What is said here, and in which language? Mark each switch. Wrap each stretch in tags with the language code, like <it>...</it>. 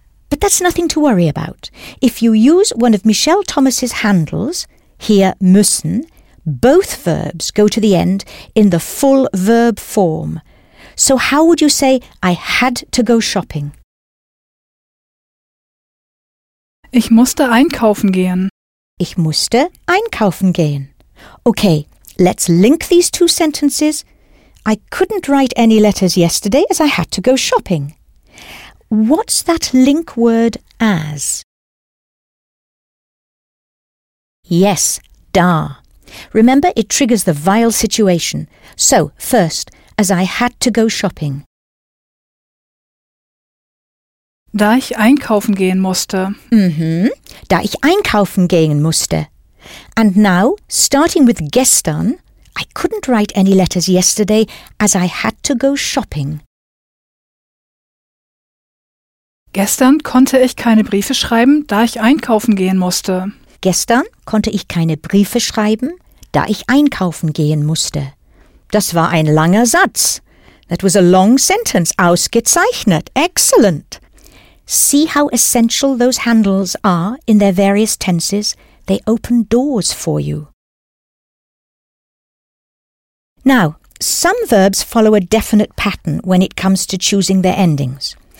<en>But that's nothing to worry about. If you use one of Michelle Thomas's handles, here müssen, both verbs go to the end in the full verb form. So how would you say I had to go shopping?</en> <de>Ich musste einkaufen gehen. Ich musste einkaufen gehen.</de> <en>Okay, let's link these two sentences. I couldn't write any letters yesterday as I had to go shopping. What's that link word as? Yes, da. Remember, it triggers the vowel situation. So, first, as I had to go shopping.</en> <de>Da ich einkaufen gehen musste. Da ich einkaufen gehen musste.</de> <en>And now, starting with gestern, I couldn't write any letters yesterday as I had to go shopping.</en> <de>Gestern konnte ich keine Briefe schreiben, da ich einkaufen gehen musste. Gestern konnte ich keine Briefe schreiben, da ich einkaufen gehen musste. Das war ein langer Satz.</de> <en>That was a long sentence. Ausgezeichnet. Excellent. See how essential those handles are in their various tenses? They open doors for you. Now, some verbs follow a definite pattern when it comes to choosing their endings.</en>